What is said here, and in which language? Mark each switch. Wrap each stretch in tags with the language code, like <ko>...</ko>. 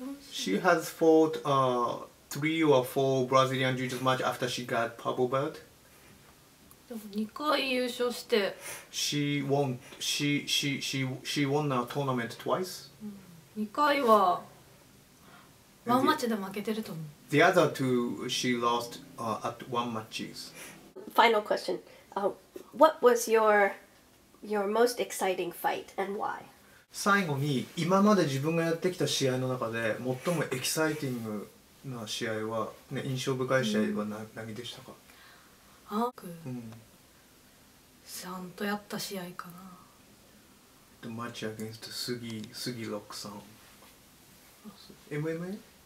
<en>She has fought three or four Brazilian Jiu-Jitsu match after she got purple belt.</en> <ja>でも2回優勝して</ja> <en>She won a tournament twice?</en> <ja>2回はワンマッチで負けてると思う</ja> <en>The other two she lost at one matches Final question What was your most exciting fight and why?</en> <ja>最後に今まで自分がやってきた試合の中で最もエキサイティングな試合は、ね、印象深い試合は 何でしたか、うんアーク、ちゃんとやった試合かな。</ja> <en>The match against Sugi Rock さん。MMA?</en>